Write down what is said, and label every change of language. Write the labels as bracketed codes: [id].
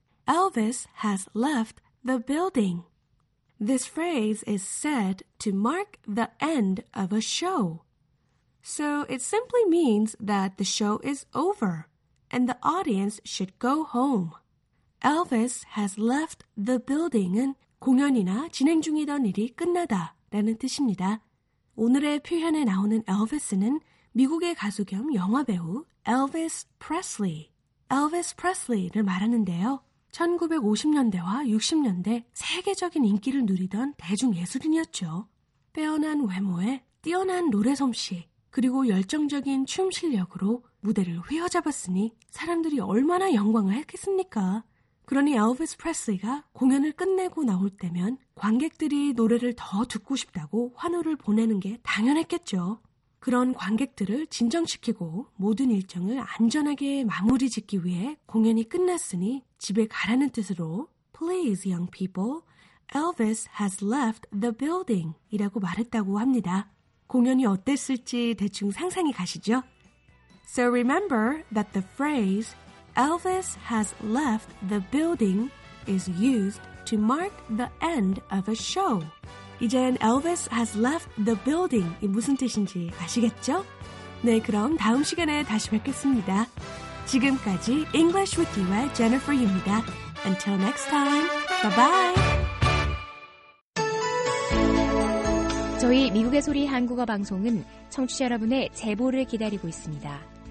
[en] Elvis has left the building. This phrase is said to mark the end of a show. So it simply means that the show is over and the audience should go home. Elvis has left the building은 [ko] 공연이나 진행 중이던 일이 끝나다라는 뜻입니다. 오늘의 표현에 나오는 Elvis는 미국의 가수 겸 영화 배우 Elvis Presley. Elvis Presley를 말하는데요. 1950년대와 60년대 세계적인 인기를 누리던 대중예술인이었죠. 빼어난 외모에 뛰어난 노래 솜씨, 그리고 열정적인 춤 실력으로 무대를 휘어잡았으니 사람들이 얼마나 영광을 했겠습니까? 그러니 Elvis Presley가 공연을 끝내고 나올 때면 관객들이 노래를 더 듣고 싶다고 환호를 보내는 게 당연했겠죠. 그런 관객들을 진정시키고 모든 일정을 안전하게 마무리 짓기 위해 공연이 끝났으니 집에 가라는 뜻으로 [en] Please, young people, Elvis has left the building [ko] 이라고 말했다고 합니다. 공연이 어땠을지 대충 상상이 가시죠? [en] So remember that the phrase Elvis has left the building is used to mark the end of a show. [ko] 이젠 Elvis has left the building이 무슨 뜻인지 아시겠죠? 네, 그럼 다음 시간에 다시 뵙겠습니다. 지금까지 English with you의 Jennifer입니다. [en] Until next time, bye-bye! [ko] 저희 미국의 소리 한국어 방송은 청취자 여러분의 제보를 기다리고 있습니다.